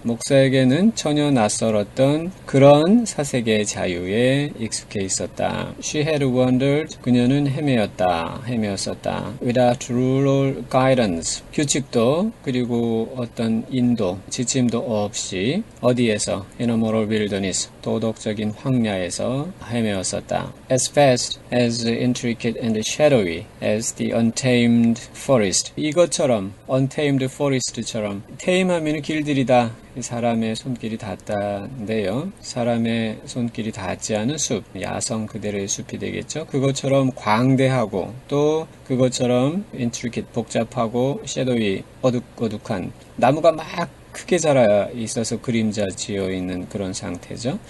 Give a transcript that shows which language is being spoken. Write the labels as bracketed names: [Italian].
[Korean] 목사에게는 전혀 낯설었던 그런 사색의 자유에 익숙해 있었다. [English] She had wondered. [Korean] 그녀는 헤매었다. [English] Without rule or guidance. [Korean] 규칙도 그리고 어떤 인도, 지침도 없이 어디에서 [English] in a moral wilderness. [Korean] 도덕적인 황야에서 헤매었었다. [English] As vast, as intricate and shadowy as the untamed forest. [Korean] 이것처럼 untamed forest처럼 tame하면 길들이다. 사람의 손길이 닿다인데요. 사람의 손길이 닿지 않은 숲, 야성 그대로의 숲이 되겠죠. 그것처럼 광대하고 또 그것처럼 intricate 복잡하고 shadowy 어둑어둑한 나무가 막 크게 자라 있어서 그림자 지어 있는 그런 상태죠.